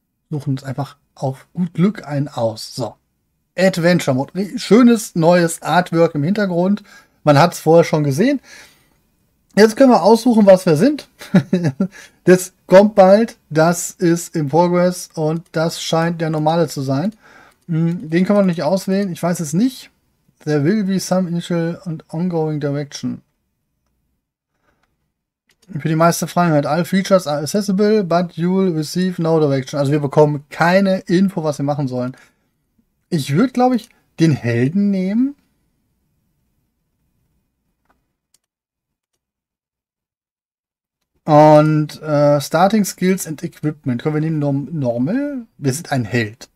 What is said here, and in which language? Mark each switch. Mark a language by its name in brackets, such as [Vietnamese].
[German] Suchen uns einfach auf gut Glück einen aus. So. Adventure Mode. Schönes neues Artwork im Hintergrund. Man hat es vorher schon gesehen. Jetzt können wir aussuchen, was wir sind. Das kommt bald. Das ist in Progress und das scheint der normale zu sein. Den können wir nicht auswählen. Ich weiß es nicht. [English] There will be some initial and ongoing direction. [German] Für die meiste Freiheit. [English] All features are accessible, but you'll receive no direction. [German] Also wir bekommen keine Info, was wir machen sollen. Ich würde, glaube ich, den Helden nehmen. Und Starting Skills and Equipment. Können wir nehmen Normal? Wir sind ein Held.